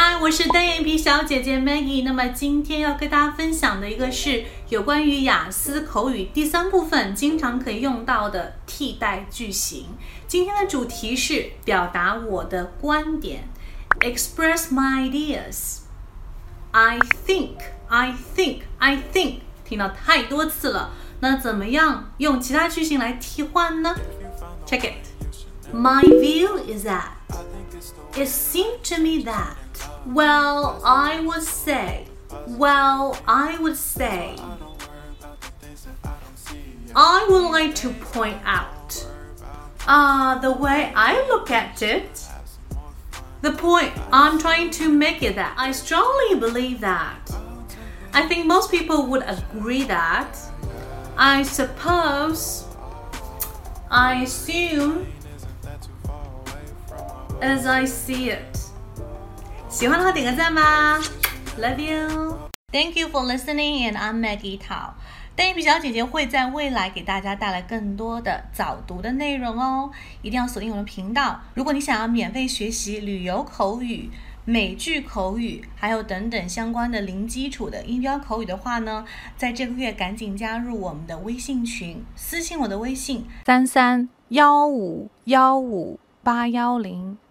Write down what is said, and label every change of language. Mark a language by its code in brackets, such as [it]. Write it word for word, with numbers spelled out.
[zh] 是单眼皮小姐姐 Maggie。那么今天要跟大家分享的一个是有关于雅思口语第三部分经常可以用到的替代句型。今天的主题是表达我的观点， [en] Express my ideas。 I think I think I think [zh] 听到太多次了，那怎么样用其他句型来替换呢？ [en] Check it. My view is that It seemed to me that Well, I would say Well, I would say I would like to point out Ah, uh, the way I look at it The point I'm trying to make is that I strongly believe that I think most people would agree that I suppose I assume As I see it. [zh] 喜欢的话点个赞吧。 [en] Love you. Thank you for listening, and I'm Maggie Tao. [zh] 单眼皮小姐姐会在未来给大家带来更多的早读的内容哦，一定要锁定我们的频道。如果你想要免费学习旅游口语、美剧口语，还有等等相关的零基础的音标口语的话呢，在这个月赶紧加入我们的微信群，私信我的微信三三幺五幺五八幺零。